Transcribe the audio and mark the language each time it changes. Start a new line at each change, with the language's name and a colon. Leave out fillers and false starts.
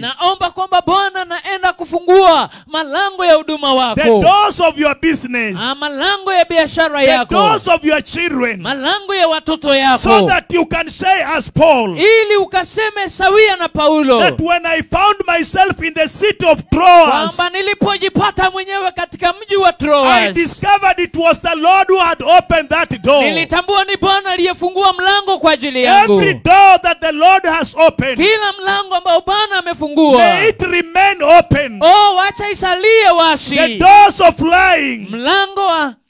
Swahili: Naomba kwamba Bwana naenda kufungua malango ya huduma wako.
English: The doors of your business.
Swahili: Malango ya biashara yako.
English: The doors of your children.
Swahili: Malango ya watoto yako.
English: So that you can say as Paul.
Swahili: Ili ukaseme sawia na Paulo.
English: That when I found myself in the city of Troas.
Swahili: Kwamba nilipojipata mwenyewe katika mji wa Troas.
English: I discovered it was the Lord who had opened that door.
Swahili: Nilitambua ni Bwana aliyefungua mlango kwa ajili yangu.
English: Every door that the Lord has opened.
Swahili: Kila mlango ambao Bwana amefungua.
English: May it remain open.
Swahili: Oh, acha isalie wazi.
English: The doors of lying.
Swahili: Mlango wa